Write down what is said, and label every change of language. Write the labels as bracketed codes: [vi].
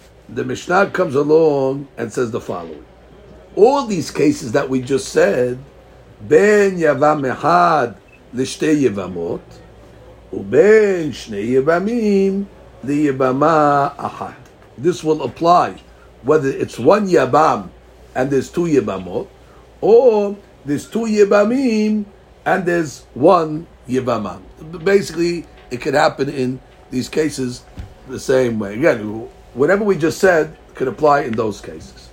[en] The Mishnah comes along and says the following. All these cases that we just said, [he] בין יבם אחד לשתי יבמות, ובין שני יבמים ליבמה אחת. [en] This will apply whether it's one yabam and there's two yabamot, or there's two yabamim and there's one yabamam. Basically, it could happen in these cases the same way. Again, whatever we just said could apply in those cases.